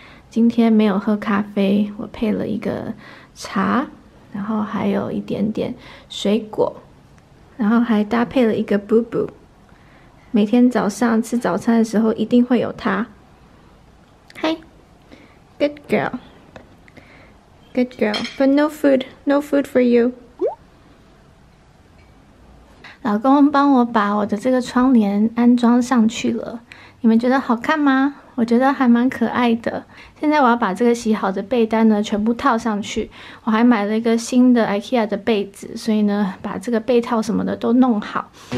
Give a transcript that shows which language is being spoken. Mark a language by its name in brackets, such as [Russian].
[Chinese] 今天没有喝咖啡，我配了一个茶，然后还有一点点水果，然后还搭配了一个 boo。每天早上吃早餐的时候一定会有它。 [English] Hi, good girl. Good girl, but no food, no food for you. [Chinese] 老公帮我把我的这个窗帘安装上去了，你们觉得好看吗？我觉得还蛮可爱的。现在我要把这个洗好的被单呢全部套上去。我还买了一个新的 IKEA 的被子，所以呢把这个被套什么的都弄好。